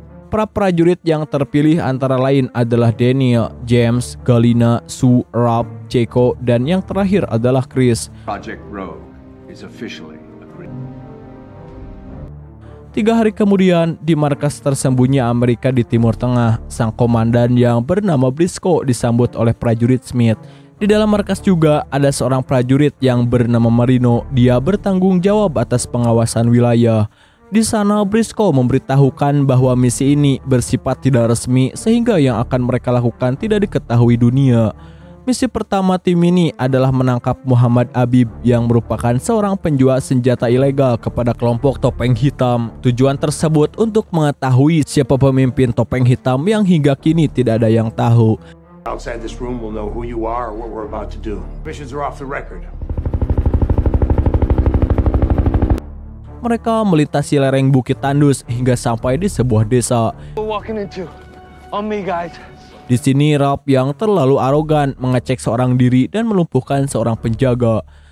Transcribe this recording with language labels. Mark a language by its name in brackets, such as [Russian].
[Indonesian] Para prajurit yang terpilih antara lain adalah Daniel, James, Galina, Sue, Rob, Jaco, dan yang terakhir adalah Chris. [English] Project Rogue is officially. [Indonesian] Tiga hari kemudian, di markas tersembunyi Amerika di Timur Tengah, sang komandan yang bernama Briscoe disambut oleh prajurit Smith. Di dalam markas juga ada seorang prajurit yang bernama Marino. Dia bertanggung jawab atas pengawasan wilayah. Di sana, Briscoe memberitahukan bahwa misi ini bersifat tidak resmi sehingga yang akan mereka lakukan tidak diketahui dunia. Misi pertama tim ini adalah menangkap Muhammad Abib yang merupakan seorang penjual senjata ilegal kepada kelompok Topeng Hitam. Tujuan tersebut untuk mengetahui siapa pemimpin Topeng Hitam yang hingga kini tidak ada yang tahu. [English] Outside this room we'll know who you are or what we're about to do. Missions are off the record. [Indonesian] Mereka melintasi lereng Bukit Tandus hingga sampai di sebuah desa. [English] We're walking into. On me, guys. [Indonesian] Di sini Rob yang terlalu arogan mengecek seorang diri dan melumpuhkan seorang penjaga.